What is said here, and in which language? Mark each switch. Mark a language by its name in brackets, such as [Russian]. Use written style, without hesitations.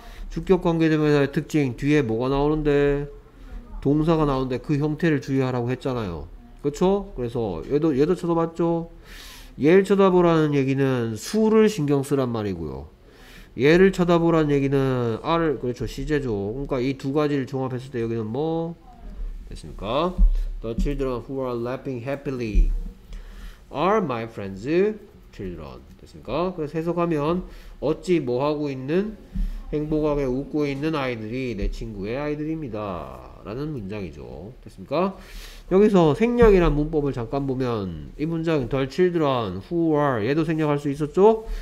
[Korean] 주격 관계대명사의 특징 뒤에 뭐가 나오는데 동사가 나오는데 그 형태를 주의하라고 했잖아요. 그렇죠? 그래서 얘도 쳐다봤죠? 얘를 쳐다보라는 얘기는 수를 신경 쓰란 말이고요. 얘를 쳐다보라는 얘기는 R을 그렇죠 시제죠. 그러니까 이 두 가지를 종합했을 때 여기는 뭐 됐습니까? [English] The children who are laughing happily are my friends' children. [Korean] 됐습니까? 그래서 해석하면 어찌 뭐 하고 있는 행복하게 웃고 있는 아이들이 내 친구의 아이들입니다.라는 문장이죠. 됐습니까? 여기서 생략이란 문법을 잠깐 보면 이 문장 [English] The children who are [Korean] 얘도 생략할 수 있었죠?